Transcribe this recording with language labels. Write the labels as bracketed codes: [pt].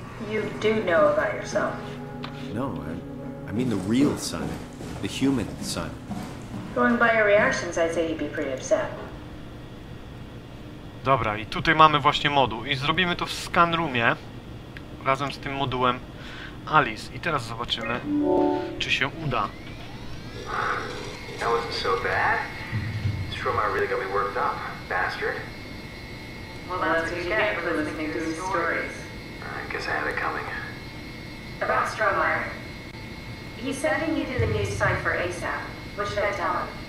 [en] You do know about yourself. No, I mean the real Simon. The human Simon. Going by your reactions, I'd say he'd be pretty upset. [pl] Dobra, i tutaj mamy właśnie moduł. I zrobimy to w scan roomie. Razem z tym modułem Alice. I teraz zobaczymy, czy się uda. [en] That wasn't so bad. Strohmeyer really got me worked up, bastard. Well, that's what you get for listening to the stories. I guess I had it coming. About Strohmeyer. He's sending you to the news cipher ASAP. What should I tell him?